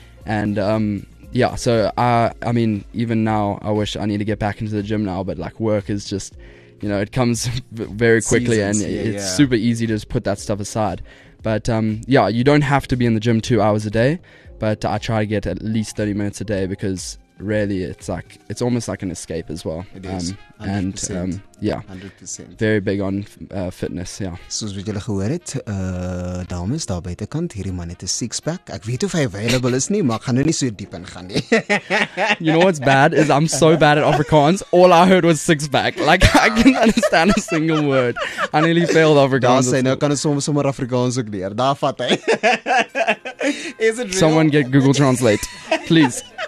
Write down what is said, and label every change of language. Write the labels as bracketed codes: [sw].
[en] And I mean, even now I wish I need to get back into the gym now, but like work is just, you know, it comes very quickly. Seasons, and yeah, it's yeah. super easy to just put that stuff aside. But you don't have to be in the gym 2 hours a day, but I try to get at least 30 minutes a day, because really it's like, it's almost like an escape as well. It is. 100%. And yeah, 100%. Very big on fitness, yeah. [af] Soos wat julle gehoor het, dames daar buitekant, hierdie man het 'n six pack. Ek weet of hy available is nie, maar ek gaan nou nie so diep in gaan nie. [en] You know what's bad is I'm so bad at Afrikaans. All I heard was six pack. Like I can't understand a single word. I nearly failed Afrikaans. [af] Daar sê nou kan ek sommer Afrikaans ook leer. Daar vat hy. [en] Is it real? Someone get Google Translate, please.